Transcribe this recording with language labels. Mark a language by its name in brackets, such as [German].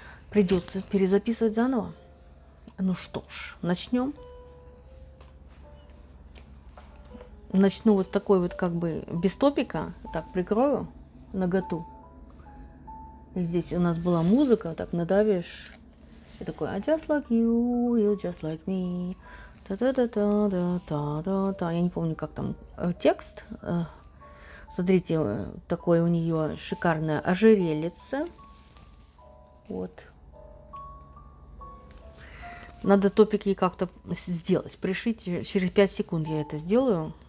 [Russian] Придется перезаписывать заново. Ну что ж, начнем. Начну вот с такой вот как бы без топика, так прикрою наготу. И здесь у нас была музыка, так надавишь. И такой, [English] I just like you, you just like me. [Russian] Та-та-та-та-та-та-та-та. Я не помню, как там текст. Смотрите, такое у нее шикарное ожерелье. Вот. Надо топик ей как-то сделать, пришить. Через 5 секунд я это сделаю.